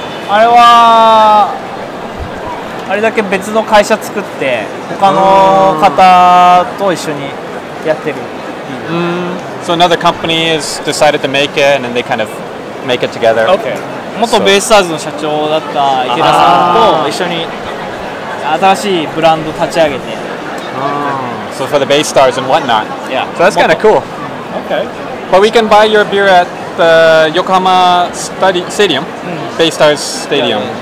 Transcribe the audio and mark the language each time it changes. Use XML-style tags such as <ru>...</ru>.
<ja>あれは、あれだけ別の会社作って、他の方と一緒にやってる。 Mm.</ja> <en>So another company has decided to make it, and then they kind of make it together. Okay.</en> <ja>元ベイスターズの社長だった池田さんと一緒に新しいブランド立ち上げて。</ja> <en>So for the Baystars and whatnot. Yeah. So that's kind of cool. Okay. But we can buy your beer at the Yokohama Stadium, Baystars Stadium.</en>